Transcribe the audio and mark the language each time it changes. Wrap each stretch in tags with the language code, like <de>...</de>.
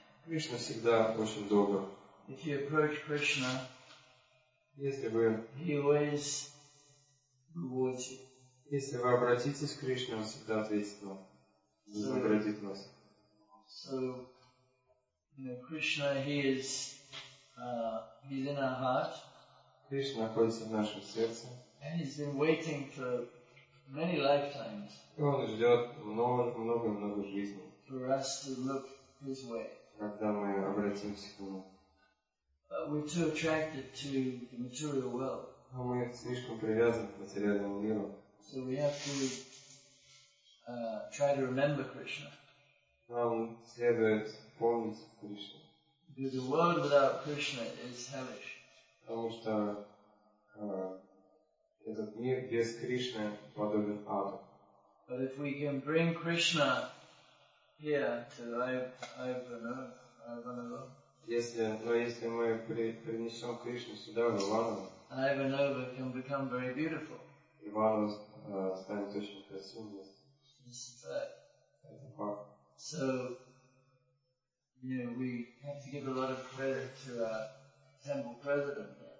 <ru>Кришна всегда очень добр.</ru> <en>If you approach Krishna,</en> <ru>если вы,</ru> <en>he always rewards you.</en> <ru>Если вы обратитесь к Кришне, он всегда ответит вам. Наградит вас.</ru> <en>So, you know, Krishna, he is he's in our heart.</en> <ru>Кришна находится в нашем сердце.</ru> <en>And he's been waiting for many lifetimes.</en> <ru>И он ждет много жизней.</ru> <en>For us to look his way.</en> <ru>Когда мы обратимся к нему.</ru> <en>But we're too attracted to the material world.</en> <ru>Но мы слишком привязаны к материальному миру.</ru> <en>So we have to try to remember Krishna.</en> <ru>Нам следует помнить Кришну.</ru> <en>Because the world without Krishna is hellish.</en> <ru>Потому что этот мир без Кришны подобен аду.</ru> <en>But if we can bring Krishna here to Ivanova.</en> <ru>Если мы принесем Кришну сюда, в Иваново,</ru> <en>Ivanova can become very beautiful.</en> <ru>Иваново станет очень красивым местом.</ru> <en>This is fact.</en> <ru>Это факт.</ru> <en>So, you know, we have to give a lot of credit to our temple president.</en>